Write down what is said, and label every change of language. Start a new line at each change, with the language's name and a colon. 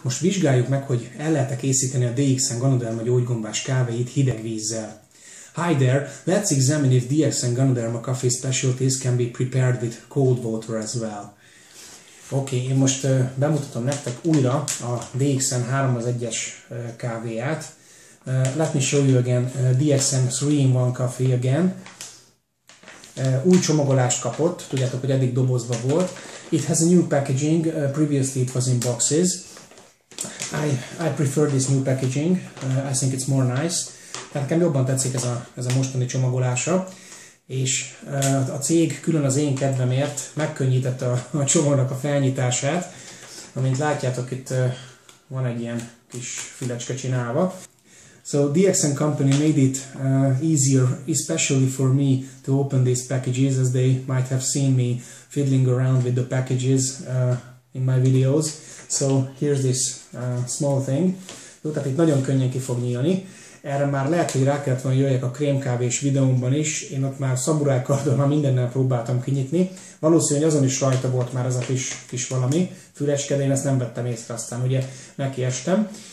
Hungarian: Most vizsgáljuk meg, hogy el lehet-e készíteni a DXN Ganoderma gyógygombás kávéit hideg vízzel.
English: Hi there! Let's examine if DXN Ganoderma coffee specialties can be prepared with cold water as well.
Hungarian: Okay, én most bemutatom nektek újra a DXN 3-1-es kávéját.
English: Let me show you again DXN 3-in-1 coffee again.
Hungarian: Új csomagolást kapott, tudjátok, hogy eddig dobozva volt.
English: It has a new packaging, previously it was in boxes. I prefer this new packaging, I think it's more nice.
Hungarian: Tehát nekem jobban tetszik ez a mostani csomagolása. És a cég külön az én kedvemért megkönnyítette a csomagnak a felnyitását. Amint látjátok, itt van egy ilyen kis fülecske csinálva.
English: So DXN company made it easier, especially for me, to open these packages, as they might have seen me fiddling around with the packages in my videos. So here's this small thing.
Hungarian: Jó, tehát itt nagyon könnyen ki fog nyílni. Erre már lehet, hogy rá kellett volna jöjjek a krémkávés videómban is. Én ott már szamuráj kardon, már mindennel próbáltam kinyitni. Valószínűleg azon is rajta volt már ez a kis valami fülecske, de én ezt nem vettem észre, aztán ugye nekiestem.